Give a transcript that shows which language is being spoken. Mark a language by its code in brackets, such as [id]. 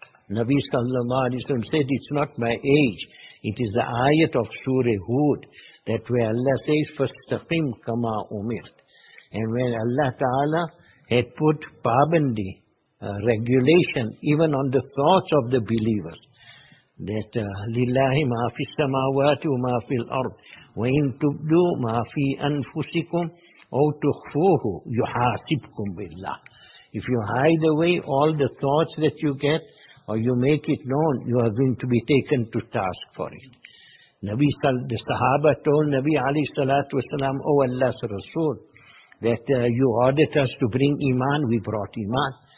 [en] Nabi sallallahu alayhi wa sallam said, it's not my age, it is the ayat of Surah Hud, that where Allah says, [ar] فَاسْتَقِمْ كَمَا أُمِرْتْ. [en] And when Allah Ta'ala had put pabandi, regulation, even on the thoughts of the believers, [ar] that لله ما في السماوات وما في الأرض وإن تبدوا ما في أنفسكم أو تخفوه يحاسبكم بالله. [en] If you hide away all the thoughts that you get or you make it known, you are going to be taken to task for it. The Sahaba told Nabi alayhi salatu wasalam, O Allah's Rasul, that you ordered us to bring iman, we brought iman.